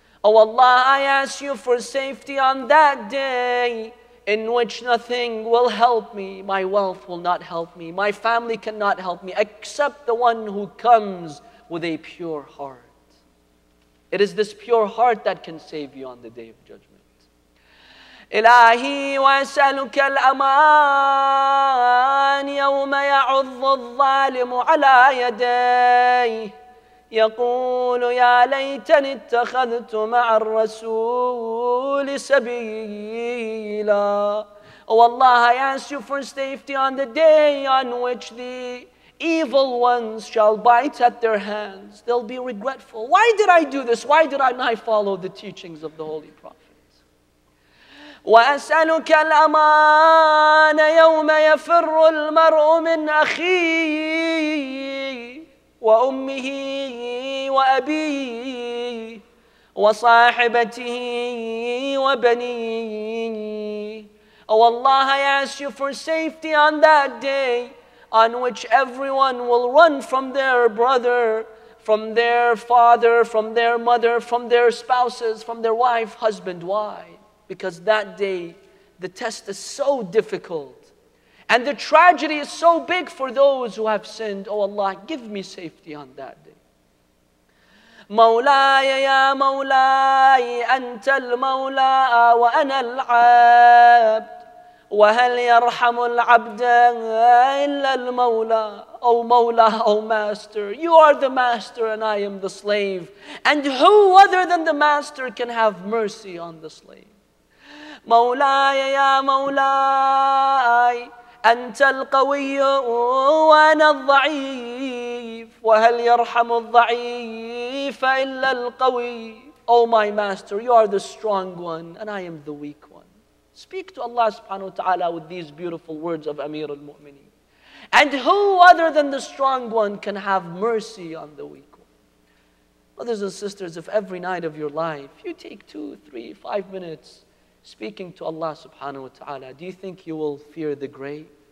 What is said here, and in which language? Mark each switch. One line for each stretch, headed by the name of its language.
English: Oh Allah, I ask you for safety on that day in which nothing will help me, my wealth will not help me, my family cannot help me, except the one who comes with a pure heart. It is this pure heart that can save you on the day of judgment.
Arabic: إلهي وأسألك الأمان يوم يعض الظالم على يديه يقول يا ليتني اتخذت مع الرسول سبيلا.
English: Oh Allah, I ask you for safety on the day on which the evil ones shall bite at their hands. They'll be regretful. Why did I do this? Why did I not follow the teachings of the Holy Prophet?
Arabic: وأسألك الأمان يوم يفر المرء من أخيه وأمه وأبيه وصاحبته وبنيه.
English: Oh Allah, I ask you for safety on that day on which everyone will run from their brother, from their father, from their mother, from their spouses, from their wife, husband. Why? Because that day the test is so difficult and the tragedy is so big for those who have sinned. Oh Allah, give me safety on that day.
Arabic: مولاي يا مولاي أنت المولى وأنا العبد وهل يرحم العبد إلا المولى.
English: Oh مولى, oh master, you are the master and I am the slave. And who other than the master can have mercy on the slave?
Arabic: مولاي يا مولاي أنت القوي وأنا الضعيف وهل يرحم الضعيف إلا القوي.
English: Oh my master, you are the strong one and I am the weak one. Speak to Allah subhanahu wa ta'ala with these beautiful words of Amir al-Mu'mineen. And who other than the strong one can have mercy on the weak one? Brothers and sisters, if every night of your life you take 2, 3, 5 minutes speaking to Allah subhanahu wa ta'ala, do you think you will fear the grave?